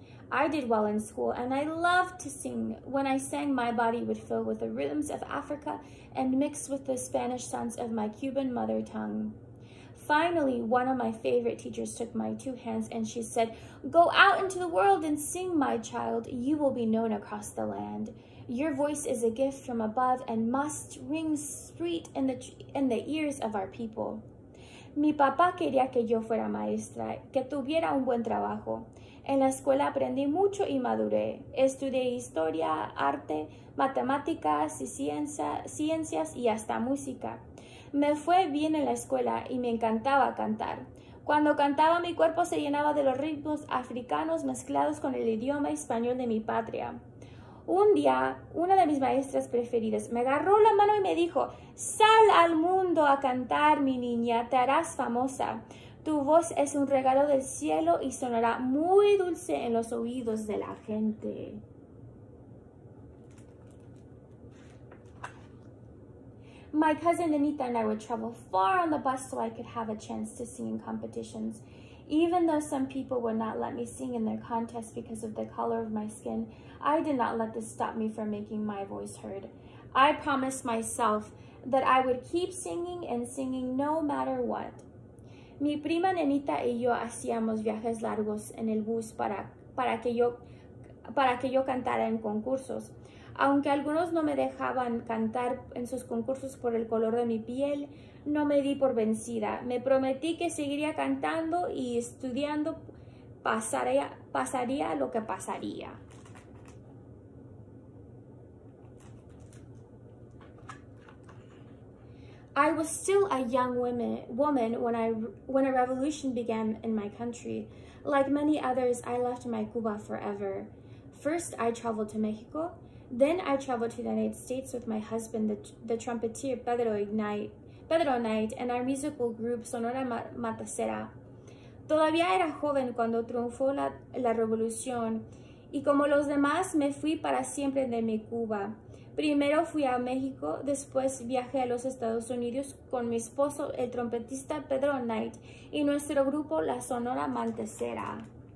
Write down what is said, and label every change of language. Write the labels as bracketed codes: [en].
[en] I did well in school, and I loved to sing. When I sang, my body would fill with the rhythms of Africa and mix with the Spanish sounds of my Cuban mother tongue. Finally, one of my favorite teachers took my two hands and she said, "Go out into the world and sing, my child. You will be known across the land. Your voice is a gift from above and must ring sweet in the ears of our people." [es] Mi papá quería que yo fuera maestra, que tuviera un buen trabajo. En la escuela aprendí mucho y maduré. Estudié historia, arte, matemáticas y ciencias y hasta música. Me fue bien en la escuela y me encantaba cantar. Cuando cantaba, mi cuerpo se llenaba de los ritmos africanos mezclados con el idioma español de mi patria. Un día, una de mis maestras preferidas me agarró la mano y me dijo, "Sal al mundo a cantar, mi niña, te harás famosa. Tu voz es un regalo del cielo y sonará muy dulce en los oídos de la gente." [en] My cousin Anita and I would travel far on the bus so I could have a chance to sing in competitions. Even though some people would not let me sing in their contests because of the color of my skin, I did not let this stop me from making my voice heard. I promised myself that I would keep singing and singing no matter what. [es] Mi prima Nenita y yo hacíamos viajes largos en el bus para que yo cantara en concursos. Aunque algunos no me dejaban cantar en sus concursos por el color de mi piel, no me di por vencida. Me prometí que seguiría cantando y estudiando, pasaría lo que pasaría. [en] I was still a young woman when a revolution began in my country. Like many others, I left my Cuba forever. First, I traveled to Mexico. Then I traveled to the United States with my husband, the trumpeter Pedro Knight, and our musical group Sonora Matancera. [es] Todavía era joven cuando triunfó la revolución, y como los demás, me fui para siempre de mi Cuba. Primero fui a México, después viajé a los Estados Unidos con mi esposo, el trompetista Pedro Knight, y nuestro grupo, la Sonora Matancera.